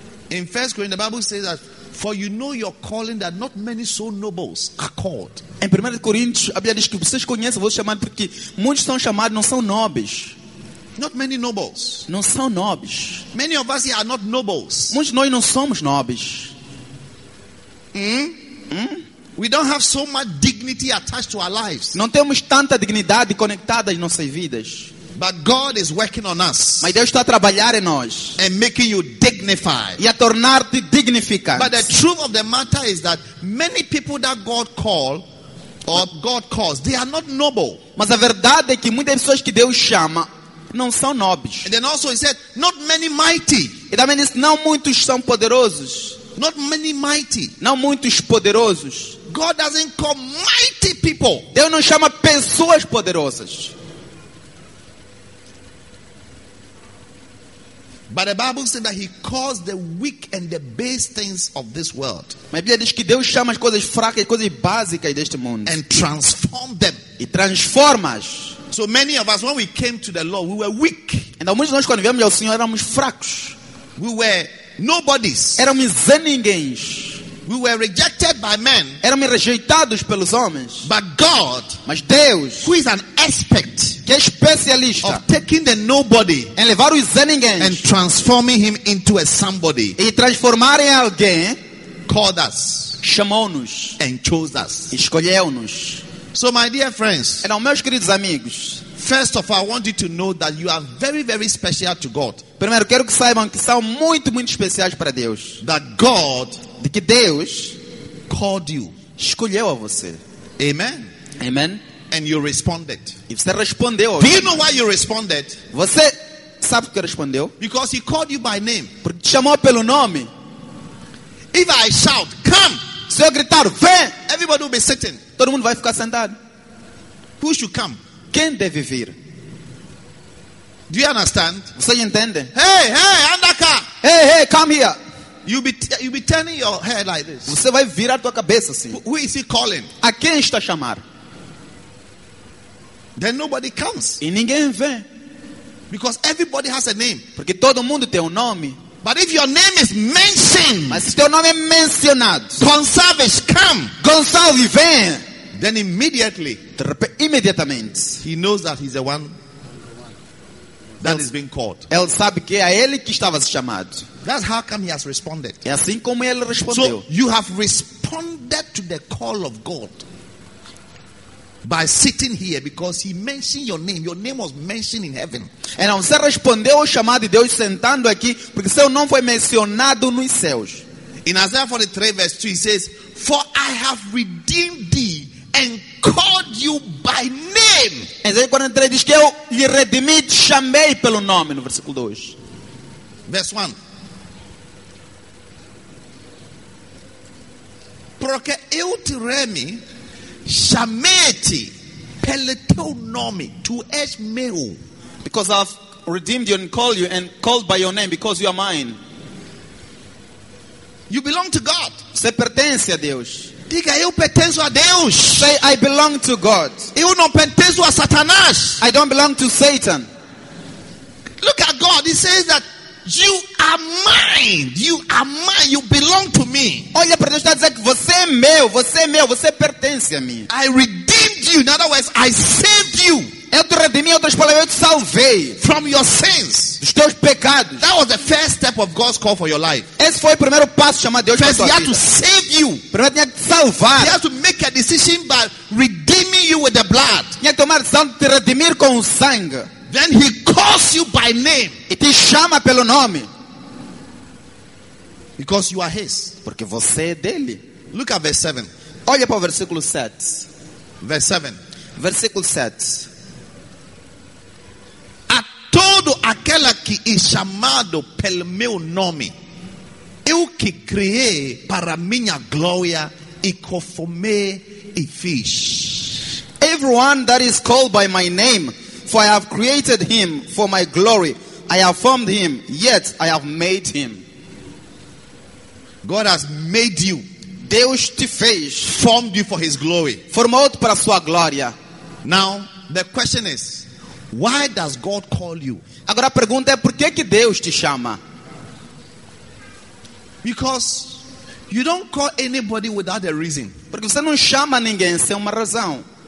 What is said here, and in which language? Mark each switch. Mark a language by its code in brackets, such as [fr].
[en] In 1 Corinthians, the Bible says that for you know your calling that not many so nobles are called. [pt] Em 1 Coríntios, a Bíblia diz que vocês conhecem, vocês chamam porque muitos são chamados, não são nobres. [en] Not many nobles. [pt] Não são nobres. [en] Many of us here are not nobles. [pt] Muitos de nós não somos nobres. [en] We don't have so much dignity attached to our lives. [pt] Não temos tanta dignidade conectada às nossas vidas. [en] But God is working on us. [pt] Mas Deus está a trabalhar em nós. [en] And making you dignified. [pt] E a tornar-te dignificado. [en] But the truth of the matter is that many people that God call or God calls, they are not noble. [pt] Mas a verdade é que muitas pessoas que Deus chama não são nobres. [en] And then also he said, not many mighty. [pt] E também disse, não muitos são poderosos. [en] Not many mighty. [pt] Não muitos poderosos. [en] God doesn't call mighty people. [pt] Deus não chama pessoas poderosas. [en] But the Bible says that he calls the weak and the base things of this world. [pt] Mas a Bíblia diz que Deus chama as coisas fracas, as coisas básicas deste mundo. [en] And transform them. [pt] E transforma-as. [en] So many of us, when we came to the Lord, we were weak. [pt] Então muitos de nós quando viemos ao Senhor éramos fracos. [en] We were nobodies. [pt] Éramos zé ninguém. [en] We were rejected by men. [pt] Éramos rejeitados pelos homens. [en] But God, [pt] mas Deus, [en] who is an expert, [pt] que é especialista, [en] of taking the nobody, [pt] em levar o zé ninguém, [en] and transforming him into a somebody, [pt] e transformar em alguém, [en] called us, [pt] chamou-nos, [en] and chose us, [pt] escolheu-nos. [en] So my dear friends, [pt] então meus queridos amigos, [en] first of all, I want you to know that you are very, very special to God. [pt] Primeiro, quero que saibam que são muito, muito especiais para Deus. [en] That God, [pt] de que Deus, [en] called you, [pt] escolheu a você. [en] Amen. [pt] Amen. [en] And you responded. [pt] E você respondeu. [en] Do you know why you responded? [pt] Você sabe por que respondeu? [en] Because he called you by name. [pt] Porque te chamou pelo nome. [en] If I shout, come. [pt] Se eu gritar, vem. [en] Everybody will be sitting. [pt] Todo mundo vai ficar sentado. [en] Who should come? [pt] Quem deve vir? [en] Do you understand? [pt] Você entende? [en] Hey, hey, andaka. Hey, hey, come here. You be turning your head like this. [pt] Você vai virar tua cabeça assim. [en] Who is he calling? [pt] A quem está a chamar? [en] Then nobody comes. [pt] E ninguém vem. [en] Because everybody has a name. [pt] Porque todo mundo tem nome. [en] But if your name is mentioned, [pt] mas se teu nome é mencionado, [en] Gonçalves, come. [pt] Gonçalves, vem. [en] Then immediately, [pt] imediatamente, [en] he knows that he's the one that is being called. [pt] Ele sabe que é a ele que estava a ser chamado. [en] That's how come he has responded. [pt] É assim como ele respondeu. [en] So you have responded to the call of God by sitting here because he mentioned your name. Your name was mentioned in heaven. [pt] Então você respondeu ao chamado de Deus sentando aqui porque seu nome foi mencionado nos céus. [en] In Isaiah 43 verse 2 he says, "For I have redeemed thee and called you by name." [pt] Isaías 43 diz que eu lhe redimi, te chamei pelo nome, no versículo 2. [en] Verse 1. [pt] Porque eu te remi, chamei-te pelo teu nome, tu és meu. [en] Because I've redeemed you and called you and called by your name because you are mine. You belong to God. [pt] Você pertence a Deus. Diga, eu pertenço a Deus. [en] Say, I belong to God. [pt] Eu não pertenço a Satanás. [en] I don't belong to Satan. Look at God. He says that you are mine. You are mine. You belong to me. [pt] Olha para Deus, está dizendo que você é meu. Você é meu. Você pertence a mim. [en] I redeemed you. In other words, I saved you. [pt] Eu te redimi, em outras palavras, eu te salvei. [en] From your sins. [pt] Dos teus pecados. [en] That was the first step of God's call for your life. [pt] Esse foi o primeiro passo chamado Deus para a tua vida. [en] He had to save you. [pt] Primeiro tinha que te salvar. [en] He had to make a decision by redeeming you with the blood. [pt] Tinha que tomar a decisão de te redimir com o sangue. [en] Then he calls you by name. [pt] E te chama pelo nome. [en] Because you are his. [pt] Porque você é dele. [en] Look at verse 7. [pt] Olha para o versículo 7. [en] Verse 7. [pt] Versículo 7. Todo aquele que é chamado pelo meu nome, eu que criei para minha glória e conformei e fiz. [en] Everyone that is called by my name, for I have created him for my glory, I have formed him, yet I have made him. God has made you. [pt] Deus te fez. [en] Formed you for His glory. [pt] Formou-te para a sua glória. [en] Now, the question is, why does God call you? [pt] Agora a pergunta é, por que que Deus te chama? [en] Because you don't call anybody without a reason. [pt] Porque você não chama ninguém sem uma razão.